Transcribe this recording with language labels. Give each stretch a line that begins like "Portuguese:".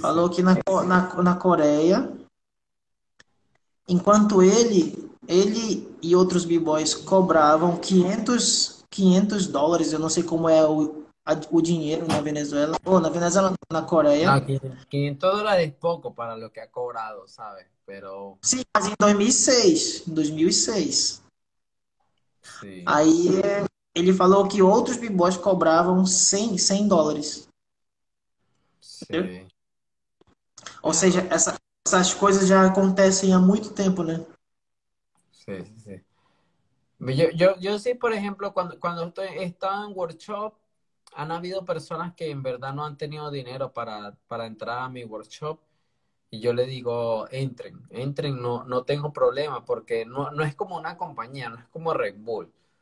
Portuguese: Falou que na Coreia, enquanto ele e outros b-boys cobravam 500 dólares, eu não sei como é o dinheiro na Venezuela, ou na Venezuela, na Coreia.
Spanish: No, 500 dólares es poco para lo que ha cobrado, ¿sabes? Pero
Portuguese: Sim, mas em 2006, 2006.
Spanish: sí.
Portuguese: Aí ele falou que outros b-boys cobravam 100 dólares. Entendeu?
Spanish: Sí.
Portuguese: Ou seja, essas coisas já acontecem há muito tempo, né?
Spanish: Sí. Yo sí, por ejemplo, cuando estaba en workshop, han habido personas que en verdad no han tenido dinero para entrar a mi workshop y yo le digo, entren, entren, no, no tengo problema porque no, no es como una compañía, no es como Red Bull.